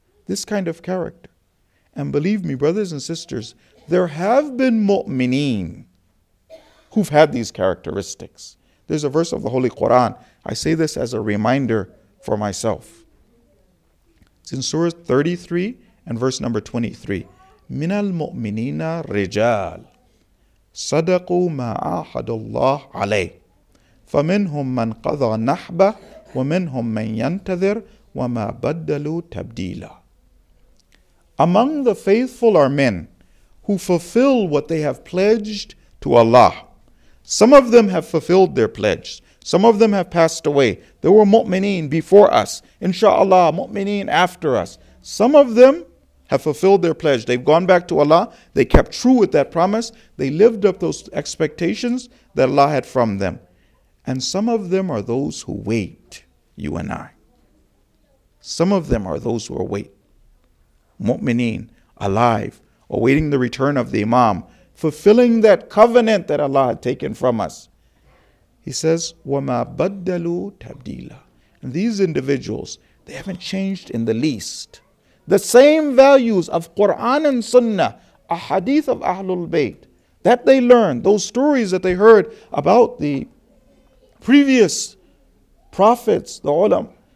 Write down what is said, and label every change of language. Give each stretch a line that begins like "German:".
English: This kind of character. And believe me, brothers and sisters, there have been mu'mineen who've had these characteristics. There's a verse of the Holy Quran. I say this as a reminder for myself. It's in Surah 33 and verse number 23.
Arabic: من المؤمنين رجال صدقوا ما عاهد الله عليه فمنهم من قضى نحبه ومنهم من ينتظر وما بدلوا تبديلا.
English: Among the faithful are men who fulfill what they have pledged to Allah. Some of them have fulfilled their pledge. Some of them have passed away. There were mu'mineen before us. Inshallah, mu'mineen after us. Some of them have fulfilled their pledge. They've gone back to Allah. They kept true with that promise. They lived up those expectations that Allah had from them. And some of them are those who wait, you and I. Some of them are those who await. Mu'mineen, alive, awaiting the return of the Imam, fulfilling that covenant that Allah had taken from us. He says,
Arabic: وَمَا بَدَّلُوا تَبْدِيلًا.
English: And these individuals, they haven't changed in the least. The same values of Quran and Sunnah, a hadith of Ahlul Bayt, that they learned, those stories that they heard about the previous prophets, the ulam.